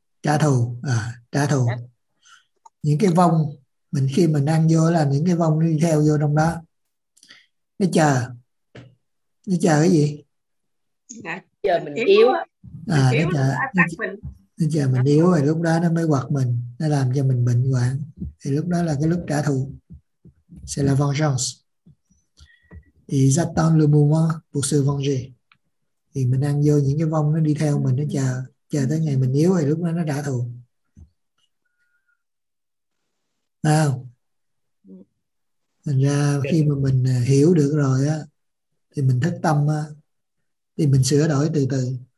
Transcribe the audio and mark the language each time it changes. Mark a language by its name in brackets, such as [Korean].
[Vietnamese] Trả thù à, trả thù những cái vong mình khi mình ăn vô là những cái vong nó đi theo vô trong đó, nó chờ cái gì À, giờ mình yếu à, á, mình yếu nó chờ, nó sẽ attack mình. nó chờ mình yếu rồi lúc đó nó mới quật mình, nó làm cho mình bệnh hoạn, thì lúc đó là cái lúc trả thù, [French] c'est la vengeance. Ils attendent le moment pour se venger. [Vietnamese] Thì mình ăn vô những cái vong nó đi theo mình, nó chờ chờ tới ngày mình yếu thì lúc đó nó trả thù. Nào, thành ra khi mà mình hiểu được rồi á, thì mình thức tâm á, thì mình sửa đổi từ từ.